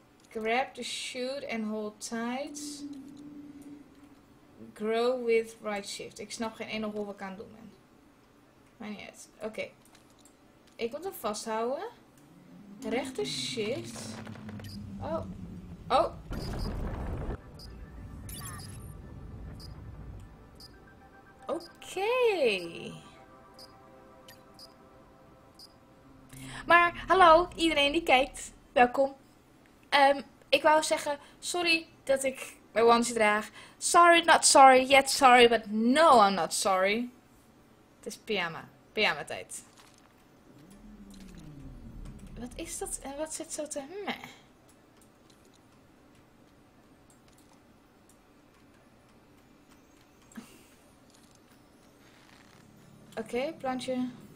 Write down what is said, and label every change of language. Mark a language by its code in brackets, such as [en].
[en] Grab the shoot and hold tight. Grow with right shift. [nl] Ik snap geen ene rol wat ik aan het doen ben. Maar niet uit. Oké. Ik moet hem vasthouden. Rechter shift. Oh. Oh. Oké. Maar hallo iedereen die kijkt. Welkom. Ik wou zeggen, sorry dat ik mijn onesie draag. [en] Sorry, not sorry, yet sorry, but no, I'm not sorry. [nl] Het is pyjama. Pyjama tijd. Wat is dat en wat zit zo te... Meh. Oké, plantje.